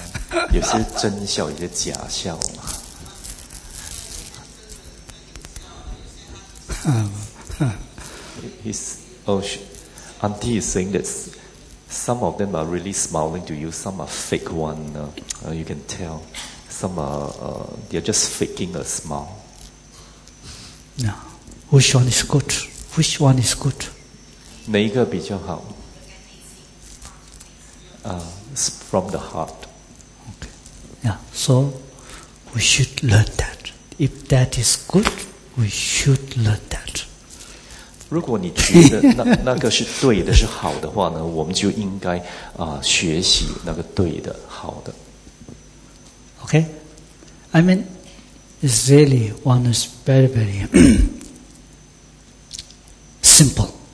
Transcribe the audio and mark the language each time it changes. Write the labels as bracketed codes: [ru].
[zh] 啊、有些真笑，有些假笑嘛。 [en] He's oh, auntie is saying that. Some of them are really smiling to you. Some are fake one. You can tell. Some are, they're just faking a smile. No. Which one is good? Which one is good? [zh] 哪一个比较好? [en] From the heart. Okay. Yeah. So, we should learn that. If that is good, we should learn that. [zh] 如果你觉得那个是对的，是好的话呢，我们就应该啊、学习那个对的、好的。 [en] Okay, I mean, it's really one is very very simple.